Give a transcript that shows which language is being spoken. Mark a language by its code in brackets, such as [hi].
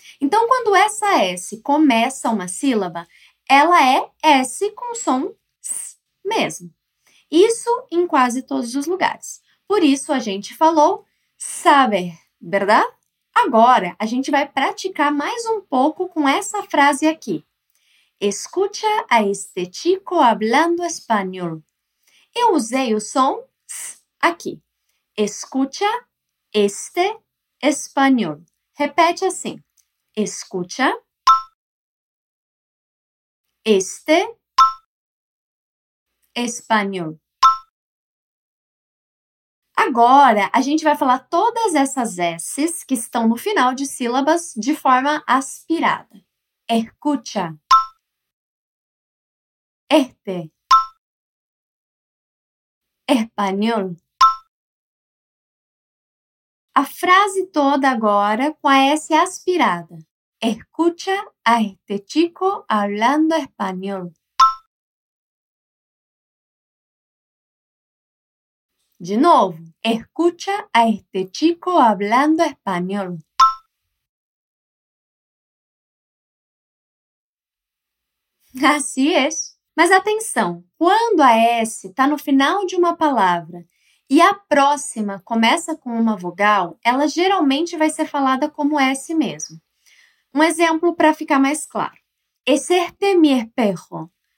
[pt] Então, quando essa S começa uma sílaba, ela é S com som S mesmo. Isso em quase todos os lugares. Por isso, a gente falou saber, verdade? Agora, a gente vai praticar mais um pouco com essa frase aqui. [es] Escucha a este chico hablando español. [pt] Eu usei o som S aqui. [es] Escucha este español. [pt] Repete assim. [es] Escucha este español. [pt] Agora, a gente vai falar todas essas S's que estão no final de sílabas de forma aspirada. [es] Escucha. Este. Español. [pt] A frase toda agora com a S aspirada. [es] Escucha a este chico hablando español. [pt] De novo, [es] escucha a este chico hablando español. Así es. [pt] Mas atenção, quando a S está no final de uma palavra E a próxima começa com uma vogal, ela geralmente vai ser falada como S mesmo. Um exemplo para ficar mais claro. [es] Exerte mi espejo.